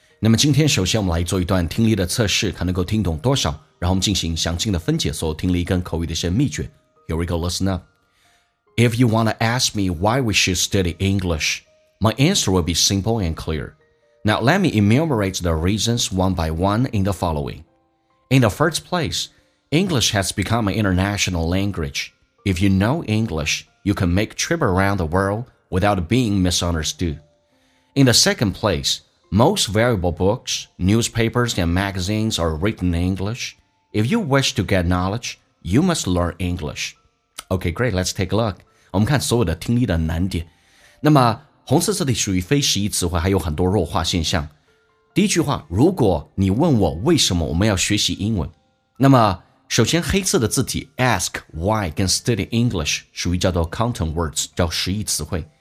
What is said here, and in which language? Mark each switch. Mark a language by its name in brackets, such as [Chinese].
[Chinese] 那么今天首先我们来做一段听力的测试，看能够听懂多少，然后我们进行详尽的分解所有听力跟口语的一些秘诀。 [English] Here we go, listen up. If you want to ask me why we should study English, my answer will be simple and clear. Now let me enumerate the reasons one by one in the following. In the first place, English has become an international languageIf you know English, you can make trip around the world without being misunderstood. In the second place, most valuable books, newspapers, and magazines are written in English. If you wish to get knowledge, you must learn English. Okay, great, let's take a look. [Chinese] 我们看所有的听力的难点。那么红色字体属于非实义词汇，还有很多弱化现象。第一句话，如果你问我为什么我们要学习英文，那么首先黑色的字体 ask why 跟 study English 属于叫做 content words， 叫实义词汇。